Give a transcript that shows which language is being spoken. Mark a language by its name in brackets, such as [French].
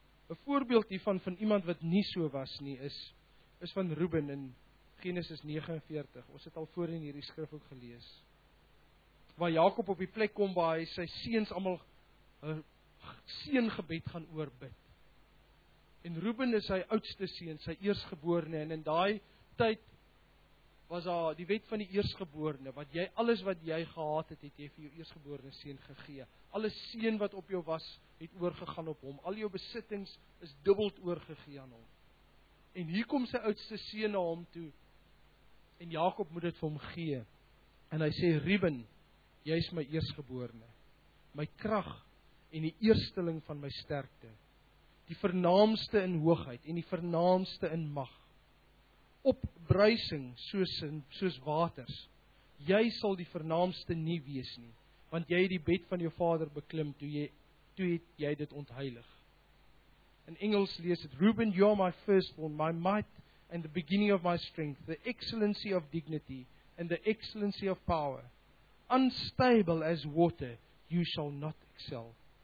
[Afrikaans] 'N voorbeeld hiervan van iemand wat nie so was nie is van Reuben in Genesis 49. Ons het al voorheen hierdie skrif ook gelees. Waar Jakob op die plek kom waar hy sy seuns almal 'n seëngebed gaan oorbid. En Reuben is sy oudste seun, sy eerstgeborene, en in daai tyd was daar die wet van die eerstgeborene, wat jy alles wat jy gehad het, het jy vir jou eerstgeborene seun gegee. Alle seun wat op jou was, het oorgegaan op hom. Al jou besittings is dubbeld oorgegee aan hom. En hier kom sy oudste seun na hom toe. En Jakob moet dit vir hom gee. En hy sê, Ruben, jy is my eersgeborene. My krag en die eersteling van my sterkte. Die vernaamste in hoogheid en die vernaamste in mag. Opbruising soos waters. Jy sal die vernaamste nie wees nie. Want jy het die bed van jou vader beklim, toe jy dit ontheilig. In Engels lees het, [English] Reuben, you are my firstborn, my might and the beginning of my strength, the excellency of dignity and the excellency of power. Unstable as water, you shall not excel.